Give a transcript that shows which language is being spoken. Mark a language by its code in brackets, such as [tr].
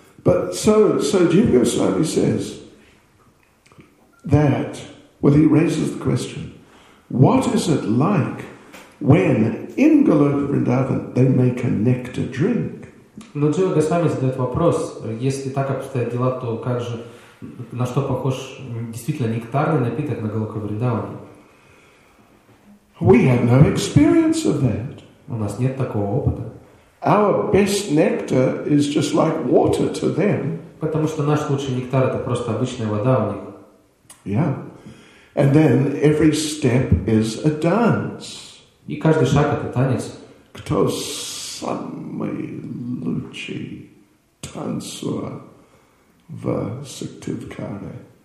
[en] But so Jiva Goswami says that, well, he raises the question, what is it like when in Goloka Vrindavan they make a nectar drink? [ru] Но Джива Госвами задает вопрос, если так обстоят дела, то как же, на что похож действительно нектарный напиток на Голока Вриндаване? [en] We have no experience of that. [ru] У нас нет такого опыта. [en] Our best nectar is just like water to them. [ru] Потому что наш лучший нектар это просто обычная вода у них. [en] Yeah. And then every step is a dance. [ru] И каждый шаг это танец. Кто самый лучший танцор в Сыктывкаре?